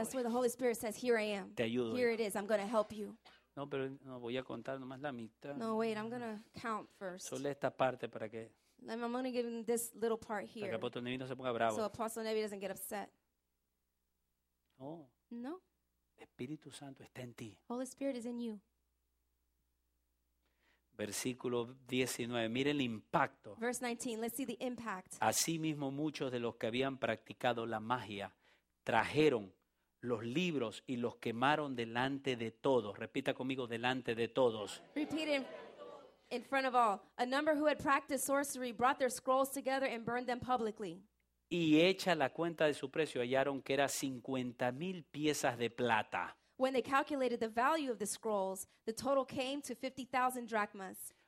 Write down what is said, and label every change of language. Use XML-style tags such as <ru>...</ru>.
<en>That's where the Holy Spirit says, here I am.</en> <es>Te ayudo.</es> <en>Here it is, I'm going to help you.</en> <es>No, pero no voy a contar nomás la mitad.</es> <en>No, wait, I'm going to count first.</en> <es>Solo esta parte para que...</es> <en>I'm only giving this little part here.</en> <es>Para que Apóstol Nevi no se ponga bravo.</es> <en>So Apostle Nevi doesn't get upset.</en> <es>No.</es> <en>No.</en> <es>Espíritu Santo está en ti.</es> <en>Holy Spirit is in you.</en> <es>Versículo 19, miren el impacto.</es> <en>Verse 19, let's see the impact.</en> <es>Asimismo, muchos de los que habían practicado la magia trajeron los libros y los quemaron delante de todos. Repita conmigo, delante de todos.</es> <en>Repeat it in front of all. A number who had practiced sorcery brought their scrolls together and burned them publicly.</en> <es>Y hecha la cuenta de su precio, hallaron que era 50,000 piezas de plata.</es> <en>When they calculated the value of the scrolls, the total came to 50,000 drachmas.</en>